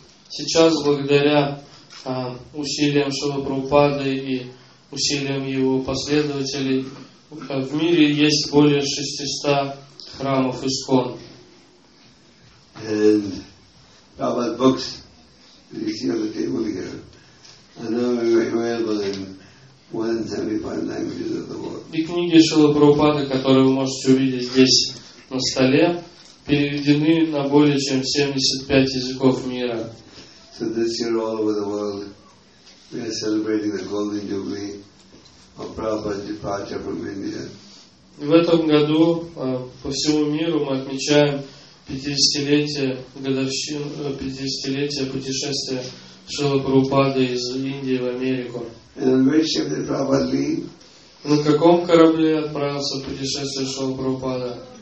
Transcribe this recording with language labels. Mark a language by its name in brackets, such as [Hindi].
[Russian] Сейчас, благодаря усилиям Шрилы Прабхупады и усилиям его последователей, в мире есть более 600 храмов ИСКОН. [English] Prabhupada's books, you see on the table here, are now available in more than 75 languages of the world. [Russian] И книги Шрилы Прабхупады, которые вы можете увидеть здесь на столе, переведены на более чем 75 языков мира. [English] So this year all over the world we are celebrating the golden jubilee of Prabhupada's departure from India. [Russian] В этом году по всему миру мы отмечаем 50-летие годовщину 50-летия путешествия Шрилы Прабхупады из Индии в Америку. На каком корабле отправился путешествие Шрилы Прабхупады?